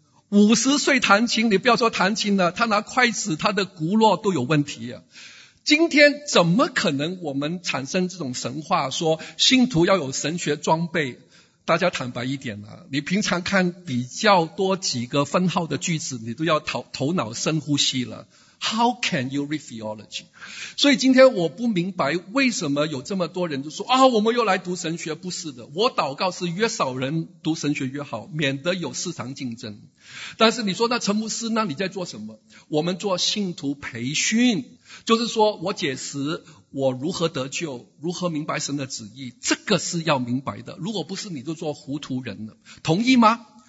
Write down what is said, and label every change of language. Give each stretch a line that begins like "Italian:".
Chinese: 五十岁弹琴，你不要说弹琴了，他拿筷子，他的骨络都有问题啊。今天怎么可能我们产生这种神话，说信徒要有神学装备？大家坦白一点啊，你平常看比较多几个分号的句子，你都要头脑深呼吸了。
English: How can you read theology?
Chinese: 所以今天我不明白为什么有这么多人就说啊、哦，我们又来读神学，不是的，我祷告是越少人读神学越好，免得有市场竞争。但是你说那陈牧师，那你在做什么？我们做信徒培训，就是说我解释我如何得救，如何明白神的旨意，这个是要明白的，如果不是你就做糊涂人了，同意吗？